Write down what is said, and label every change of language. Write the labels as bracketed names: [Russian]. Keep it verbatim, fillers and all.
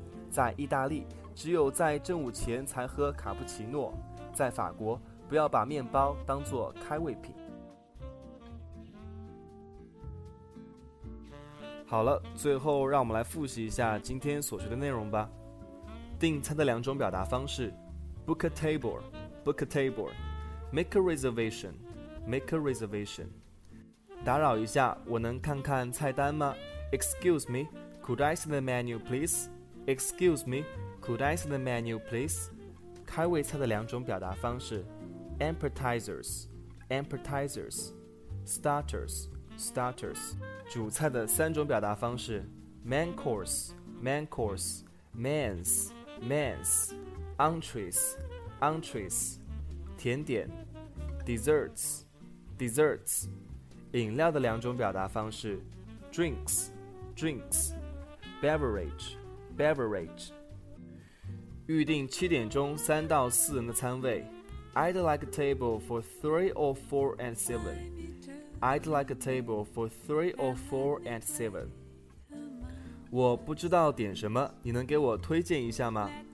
[Chinese] 在意大利，只有在正午前才喝卡布奇诺。在法国，不要把面包当作开胃品。好了，最后让我们来复习一下今天所学的内容吧。订餐的两种表达方式 [English] ：book a table, book a table, make a reservation。 Make a reservation. [Chinese] 打扰一下，我能看看菜单吗？ [English] Excuse me, could I see the menu, please? Excuse me, could I see the menu, please? [Chinese] 开胃菜的两种表达方式 [English] Appetizers, appetizers, starters, starters. [Chinese] 主菜的三种表达方式 [English] Main course, main course, mains, mains, entrees, entrees. [Chinese] 甜点 Desserts. [English] Desserts [Chinese] 饮料的两种表达方式 [English] Drinks Drinks Beverage Beverage [Chinese] 预定七点钟三到四人的餐位 [English] I'd like a table for three or four and seven I'd like a table for three or four and seven [Chinese] 我不知道点什么，你能给我推荐一下吗？